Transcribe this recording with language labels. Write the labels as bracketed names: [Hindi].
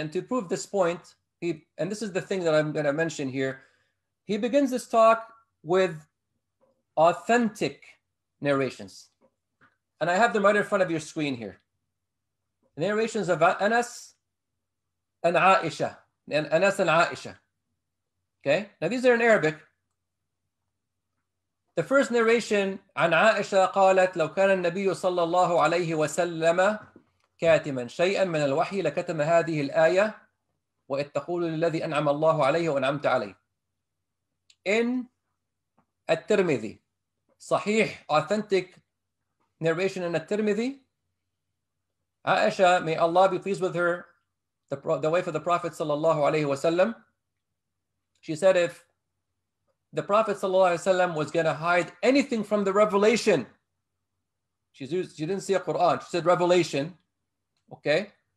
[English] And to prove this point, and this is the thing that I'm going to mention here, he begins this talk with authentic narrations. And I have them right in front of your screen here. Narrations of Anas and Aisha, and Anas and Aisha. Okay, now these are in Arabic. The first narration, [Arabic] عن عائشة قالت لو كان النبي صلى الله عليه وسلم كاتما شيئا من الوحي لكتم هذه الآية وإذ تقول للذي أنعم الله عليه وأنعمت عليه. [English] In At-Tirmidhi, صحيح, authentic narration in At-Tirmidhi, Aisha, may Allah be pleased with her, the wife of the Prophet صلى الله عليه وسلم, she said, if the Prophet ﷺ was going to hide anything from the revelation, she didn't say a Quran, she said revelation, okay?